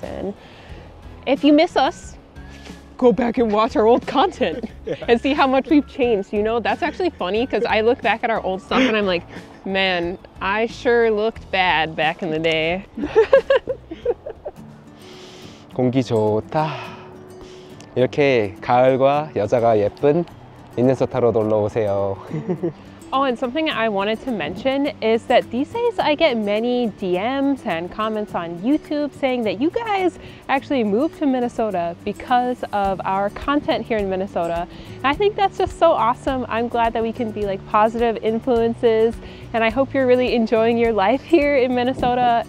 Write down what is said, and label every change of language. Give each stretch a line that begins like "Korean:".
English: And if you miss us, go back and watch our old content yeah. and see how much we've changed. You know, that's actually funny because I look back at our old stuff and I'm like, man, I sure looked bad back in the day.
Korean: 공기 좋다. 이렇게 가을과 여자가 예쁜 미네소타로 놀러 오세요.
English: Oh, and something I wanted to mention is that these days I get many DMs and comments on YouTube saying that you guys actually moved to Minnesota because of our content here in Minnesota. And I think that's just so awesome. I'm glad that we can be like positive influences, and I hope you're really enjoying your life here in Minnesota.